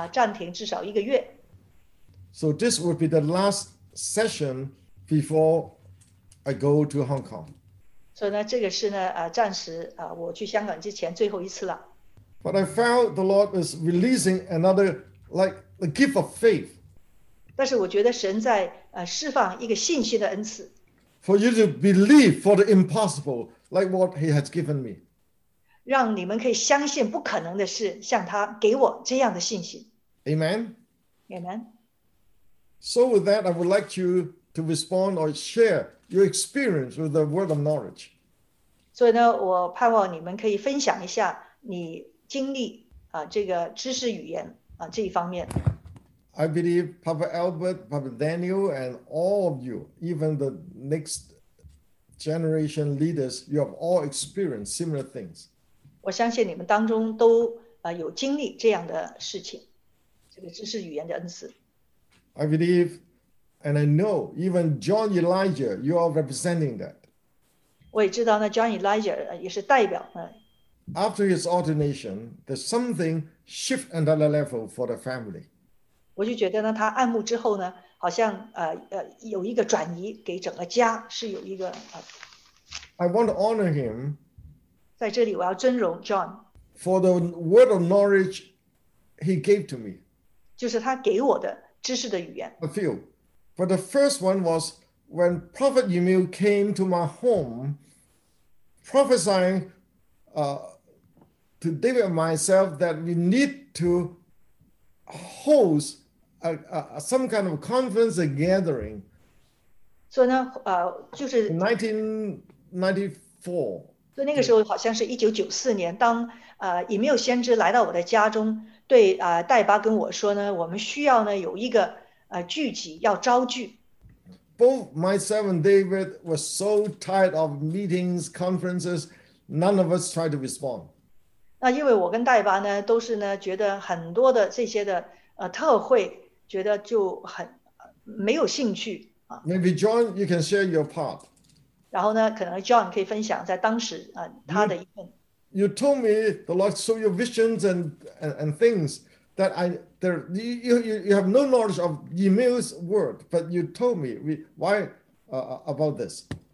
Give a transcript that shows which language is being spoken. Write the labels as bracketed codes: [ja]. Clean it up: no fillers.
[zh] 所以我相信是主的智慧让我呢暂停至少一个月。 [en] So this will be the last session before I go to Hong Kong. [zh] 所以呢，这个是呢，暂时我去香港之前最后一次了。 [en] But I felt the Lord is releasing another, like the gift of faith. [zh] 但是我觉得神在释放一个信息的恩赐。 [en] For you to believe for the impossible, like what He has given me. [zh] 让你们可以相信不可能的事，像他给我这样的信心。Amen. [en] So with that, I would like you to respond or share your experience with the word of knowledge. [zh] 所以呢, 我盼望你们可以分享一下你经历, 啊, 这个知识语言, 啊, 这一方面。 [en] I believe Papa Albert, Papa Daniel, and all of you, even the next generation leaders, you have all experienced similar things. [zh] 我相信你们当中都, 有经历这样的事情, 这个知识语言的恩赐。 [en] I believe, and I know, even John Elijah, you are representing that. [zh] 我也知道呢, John Elijah, 也是代表, [en] After his ordination, there's something shift another level for the family. [zh] 我就觉得呢, 他按牧之后呢, 好像, 有一个转移给整个家, 是有一个, [en] I want to honor him [zh] 在这里我要尊荣, John, [en] for the word of knowledge he gave to me. [zh] 就是他给我的, 知识的语言. [en] A few. But the first one was when Prophet Emil came to my home, prophesying to David and myself that we need to host some kind of conference, a gathering. So now, [zh] 就是, [en] in 1994. [zh] 那个时候好像是1994年, 当, Emil先知来到我的家中, 对, 戴巴跟我说呢, 我们需要呢, 有一个, 聚集, 要招聚。 [en] Both myself and David were so tired of meetings, conferences, none of us tried to respond. [zh] 那因为我跟戴巴呢, 都是呢, 觉得很多的这些的, 特会, 觉得就很, 没有兴趣, [en] Maybe John, you can share your part. [zh] 然后呢, 可能John可以分享, 在当时, 他的一份。 [en] You told me the Lord saw your visions and things that I there you have no knowledge of Emil's word, but you told me why about this.